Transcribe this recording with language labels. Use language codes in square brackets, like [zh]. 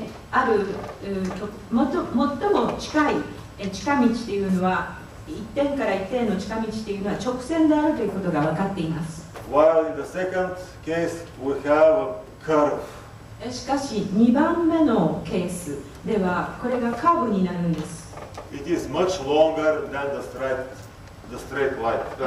[ja] ある、最も近い近道というのは、一点から一点の近道というのは直線であるということが分かっています。 [en] While in the second case we have a curve. [ja] しかし二番目のケースではこれがカーブになるんです。 [en] It is much longer than the straight line.